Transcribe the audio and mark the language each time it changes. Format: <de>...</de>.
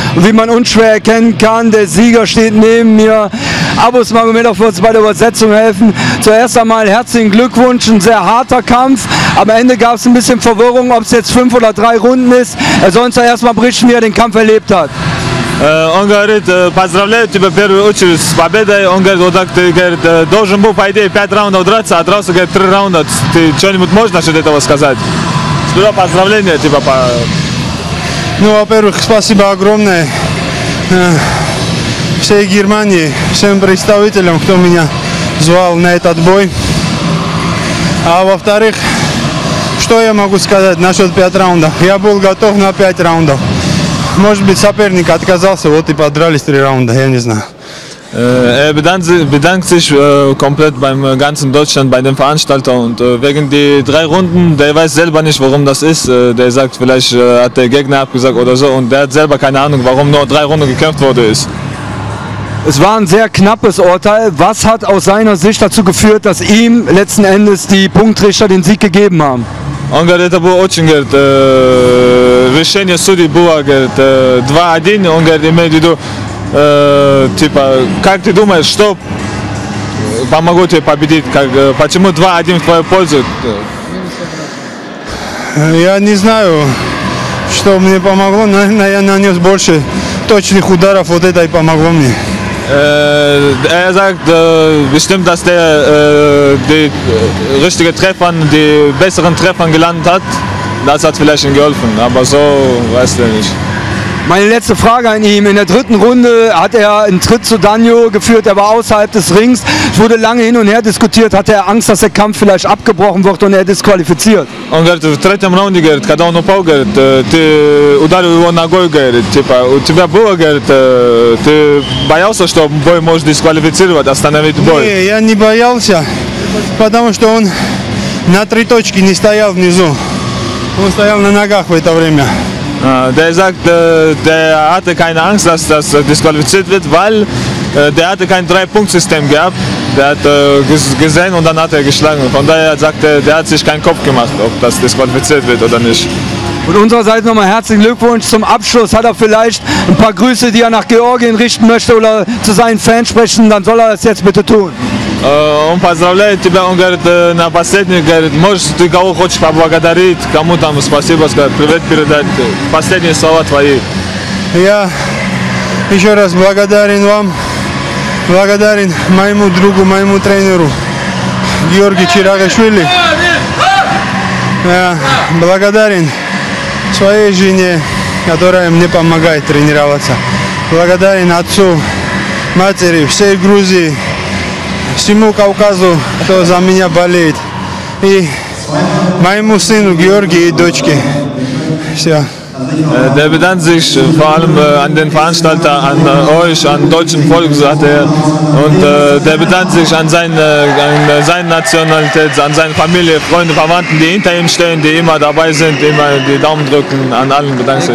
<de>Und wie man unschwer erkennen kann, der Sieger steht neben mir. Abus Magomedov wird uns bei der Übersetzung helfen. Zuerst einmal herzlichen Glückwunsch, ein sehr harter Kampf. Am Ende gab es ein bisschen Verwirrung, ob es jetzt 5 oder 3 Runden ist. Er soll uns ja erstmal berichten, wie er den Kampf erlebt hat.</de> <ru>Он говорит, поздравляю тебя в первую очередь с победой. Он говорит, вот так ты говорит, должен был, по идее, 5 раундов драться, а дрался, говорит, 3 раунда. Ты что-нибудь можешь насчет этого сказать? Сюда поздравления, типа, по... Ну, во-первых, спасибо огромное всей Германии, всем представителям, кто меня звал на этот бой. А во-вторых, что я могу сказать насчет 5 раундов? Я был готов на 5 раундов. Может быть, соперник отказался, вот и подрались 3 раунда, я не знаю.</ru> <de>Bedankt sich komplett beim ganzen Deutschland bei den Veranstaltern und wegen die 3 Runden, der weiß selber nicht, warum das ist. Der sagt, vielleicht hat der Gegner abgesagt oder so und der hat selber keine Ahnung, warum nur 3 Runden gekämpft wurde ist. Es war ein sehr knappes Urteil. Was hat aus seiner Sicht dazu geführt, dass ihm letzten Endes die Punktrichter den Sieg gegeben haben?</de> <ru>Он говорит, это было очень, говорит, решение судей было, говорит, 2-1, он говорит, имеет в виду, типа, как ты думаешь, что помогло тебе победить, как, почему 2-1 в твою пользу? Я не знаю, что мне помогло, наверное, я нанес больше точных ударов, вот это и помогло мне.</ru> <de>Er sagt bestimmt, dass der die richtigen Treffer, die besseren Treffer gelandet hat. Das hat vielleicht ihm geholfen, aber so weiß er nicht. Meine letzte Frage an ihn. In der 3. Runde hat er einen Tritt zu Danjo geführt, er war außerhalb des Rings. Es wurde lange hin und her diskutiert, hatte er Angst, dass der Kampf vielleicht abgebrochen wird und er disqualifiziert.</de> <ru>Он говорит, в 3. раунде, говорит, когда он упал, говорит, ты ударил его ногой, говорит, типа, у тебя было, говорит, ты боялся, что бой может дисквалифицировать, остановить бой? Не, я не боялся, потому что он на 3 точки не стоял внизу, он стоял на ногах в это время.</ru> <de>Der sagt, der hatte keine Angst, dass das disqualifiziert wird, weil der hatte kein 3-Punkt-System gehabt. Der hat gesehen und dann hat er geschlagen. Von daher sagt er, der hat sich keinen Kopf gemacht, ob das disqualifiziert wird oder nicht. Von unserer Seite nochmal herzlichen Glückwunsch zum Abschluss. Hat er vielleicht ein paar Grüße, die er nach Georgien richten möchte oder zu seinen Fans sprechen, dann soll er das jetzt bitte tun.</de> <ru>Он поздравляет тебя, он говорит, напоследний, говорит, может, ты кого хочешь поблагодарить, кому там спасибо сказать, привет передать, последние слова твои. Я еще раз благодарен вам, благодарен моему другу, моему тренеру Георгию Чирагашвили. Я благодарен своей жене, которая мне помогает тренироваться. Благодарен отцу, матери, всей Грузии. Всему Кавказу, кто за меня болеет. И моему сыну Георгию и дочке. Все.</ru> <de>Der bedankt sich vor allem an den Veranstalter, an euch, an deutschen Volk, sagt er. Und der bedankt sich an seine Nationalität, an seine Familie, Freunde, Verwandten, die hinter ihm stehen, die immer dabei sind, immer die Daumen drücken, an allen bedankt sich.</de>